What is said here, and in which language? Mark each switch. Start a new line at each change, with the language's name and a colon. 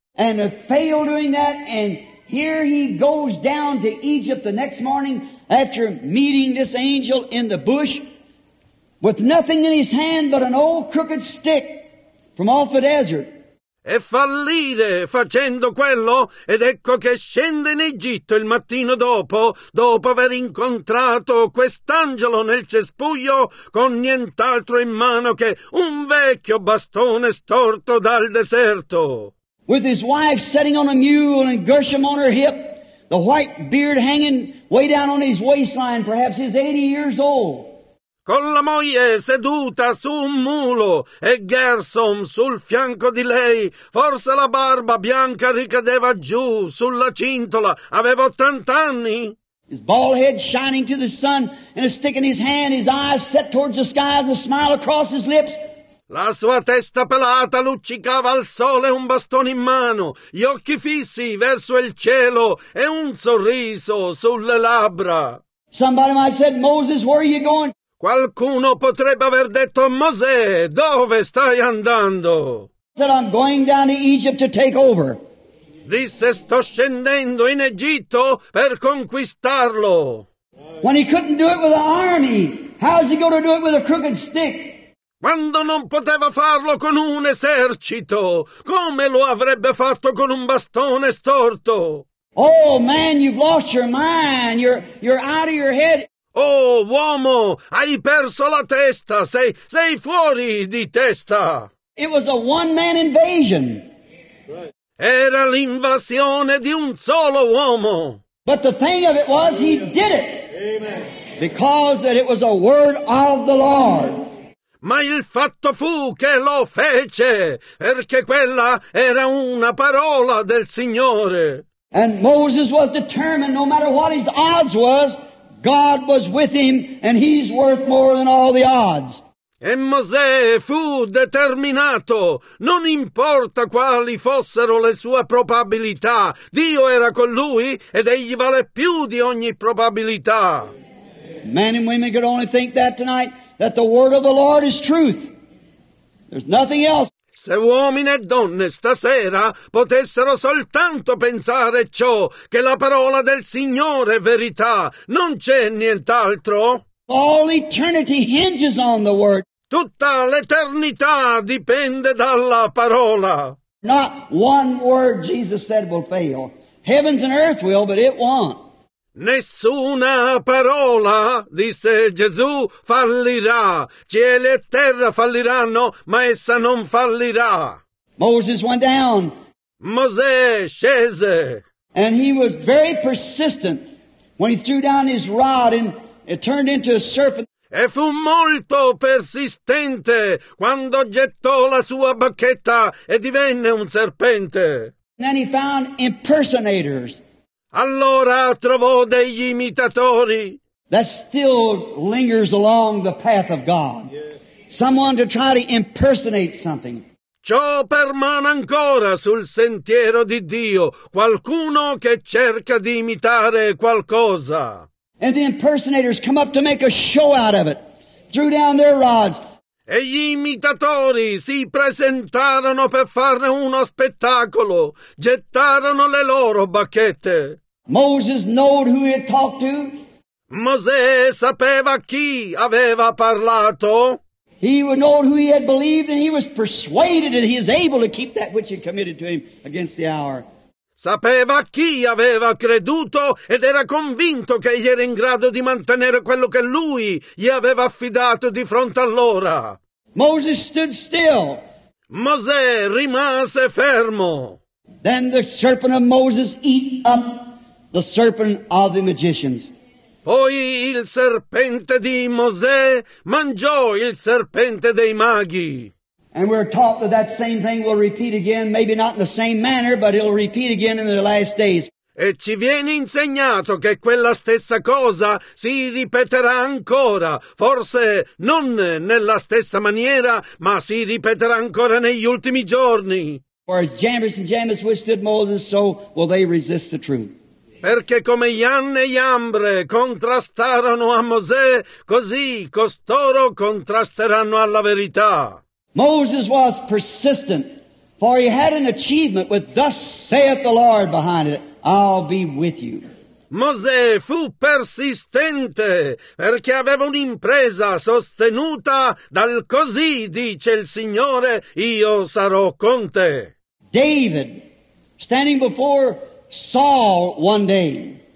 English: And failed doing that, and here he goes down to Egypt the next morning after meeting this angel in the bush with nothing in his hand but an old crooked stick from off the desert.
Italian: E fallire facendo quello, ed ecco che scende in Egitto il mattino dopo, dopo aver incontrato quest'angelo nel cespuglio con nient'altro in mano che un vecchio bastone storto dal deserto.
English: With his wife sitting on a mule and Gershom on her hip, the white beard hanging way down on his waistline, perhaps he's 80 years old.
Italian: Con la moglie seduta su un mulo e Gershom sul fianco di lei, forse la barba bianca ricadeva giù sulla cintola, aveva 80 anni.
English: His bald head shining to the sun and a stick in his hand, his eyes set towards the skies, a smile across his lips.
Italian: La sua testa pelata luccicava al sole, un bastone in mano, gli occhi fissi verso il cielo e un sorriso sulle labbra.
English: Somebody might have said, Moses, where are you going?
Italian: Qualcuno potrebbe aver detto, Mosè, dove stai andando?
English: Said, I'm going down to Egypt to take over.
Italian: Disse, sto scendendo in Egitto per conquistarlo.
English: When he couldn't do it with an army, how's he going to do it with a crooked stick?
Italian: Quando non poteva farlo con un esercito, come lo avrebbe fatto con un bastone storto?
English: Oh, man, you've lost your mind. You're out of your head.
Italian: Oh, uomo, hai perso la testa. Sei fuori di testa.
English: It was a one-man invasion.
Italian: Era l'invasione di un solo uomo.
English: But the thing of it was, he did it. Amen. Because that it was a word of the Lord.
Italian: Ma il fatto fu che lo fece, perché quella era una parola del Signore.
English: And Moses was determined, no matter what his odds was, God was with him and he's worth more than all the odds.
Italian: E Mosè fu determinato, non importa quali fossero le sue probabilità, Dio era con lui ed egli vale più di ogni probabilità.
English: Men and women could only think that tonight. That the word of the Lord is truth. There's nothing else.
Italian: Se uomini e donne stasera potessero soltanto pensare ciò, che la parola del Signore è verità, non c'è nient'altro.
English: All eternity hinges on the word.
Italian: Tutta l'eternità dipende dalla parola.
English: Not one word, Jesus said, will fail. Heavens and earth will, but it won't.
Italian: Nessuna parola, disse Gesù, fallirà. Cieli e terra falliranno, ma essa non fallirà.
English: Moses went down.
Italian: Mosè scese.
English: And he was very persistent when he threw down his rod and it turned into a serpent.
Italian: E fu molto persistente quando gettò la sua bacchetta e divenne un serpente.
English: And then he found impersonators.
Italian: allora trovò degli imitatori.
English: That still lingers along the path of God. Someone to try to impersonate something.
Italian: Ciò permane ancora sul sentiero di Dio, qualcuno che cerca di imitare qualcosa.
English: And the impersonators come up to make a show out of it, threw down their rods.
Italian: E gli imitatori si presentarono per farne uno spettacolo, gettarono le loro bacchette.
English: Moses knew who he had talked to.
Italian: Mosè sapeva chi aveva parlato.
English: He would know who he had believed, and he was persuaded that he is able to keep that which he committed to him against the hour.
Italian: Sapeva chi aveva creduto ed era convinto che egli era in grado di mantenere quello che lui gli aveva affidato di fronte all'ora.
English: Moses stood still.
Italian: Mosè rimase fermo.
English: Then the serpent of Moses eat up the serpent of the magicians.
Italian: Poi il serpente di Mosè mangiò il serpente dei maghi.
English: And we're taught that that same thing will repeat again, maybe not in the same manner, but it'll repeat again in the last days.
Italian: E ci viene insegnato che quella stessa cosa si ripeterà ancora, forse non nella stessa maniera, ma si ripeterà ancora negli ultimi giorni.
English: For as Jambres and Jambres withstood Moses, so will they resist the truth.
Italian: Perché come Ianne e Iambre contrastarono a Mosè, così costoro contrasteranno alla verità.
English: Moses was persistent, for he had an achievement with "Thus saith the Lord" behind it. I'll be with you.
Italian: Mosè fu persistente perché aveva un'impresa sostenuta dal "Così dice il Signore, io sarò con te."
English: David, standing before Saul one day.